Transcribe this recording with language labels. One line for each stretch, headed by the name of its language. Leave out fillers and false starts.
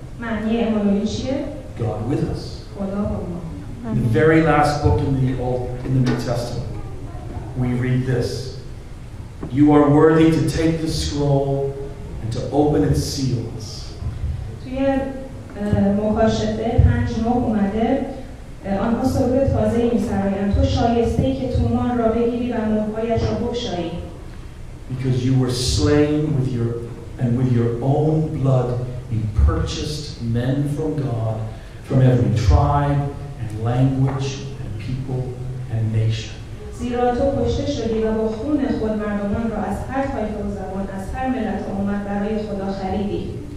Persian: Ma'ani Emmanuel chiye?
English: God with us.
Persian: Khoda ba ma.
English: In the very last book in the New Testament, we read this. You are worthy to take the scroll and to open its seals.
Persian: Tuye mokashete 5:9 umade. آنها سرود تازه می سرایند. تو شایسته ای که تومان را بگیری و مهرهایش را بگشایی.
English: Because you were slain with your own blood, you purchased men from God, from every tribe and language and people and nation.
Persian: زیرا تو کشته شدی و با خون خود مردمان را از هر طایفه و زبان از هر ملت و امت برای خدا خریدی.